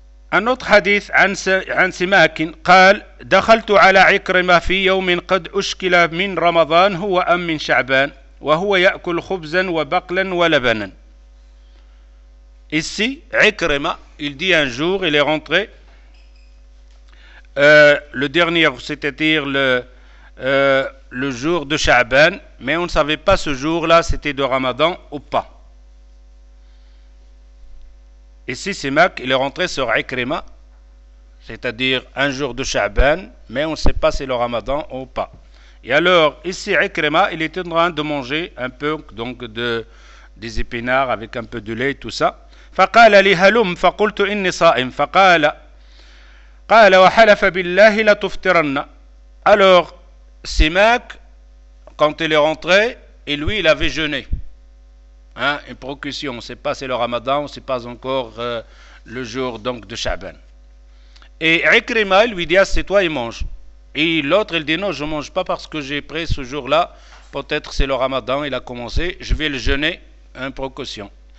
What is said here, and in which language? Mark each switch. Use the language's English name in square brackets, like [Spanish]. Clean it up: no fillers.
[French] Un autre hadith, [Arabic] an Simakin, قال دخلت على عكرمة في يوم قد أشكل من رمضان هو أم من شعبان وهو يأكل خبزا وبقلا ولبنا. [French] Ici, Ikrima, il dit un jour, il est rentré, le dernier, c'est-à-dire le jour de Sha'ban, mais on ne savait pas ce jour-là, c'était de Ramadan ou pas. Ici, Simak, il est rentré sur Ikrima, c'est-à-dire un jour de Sha'ban, mais on ne sait pas si c'est le Ramadan ou pas. Et alors, ici, Ikrima, il est en train de manger un peu donc des épinards avec un peu de lait, tout ça. [Arabic] فقال لي هلم فقلت إني صائم فقال قال وحلف بالله لا تفطرن. [French] Alors Simak, quand il est rentré, et lui il avait jeûné, hein, une procession, on ne sait pas c'est le Ramadan, on ne sait pas encore le jour donc de Sha'ban. Et Ikrima lui dit ah, c'est toi il mange, et l'autre il dit non je ne mange pas parce que j'ai pris ce jour là peut-être c'est le Ramadan, il a commencé, je vais le jeûner, une précaution.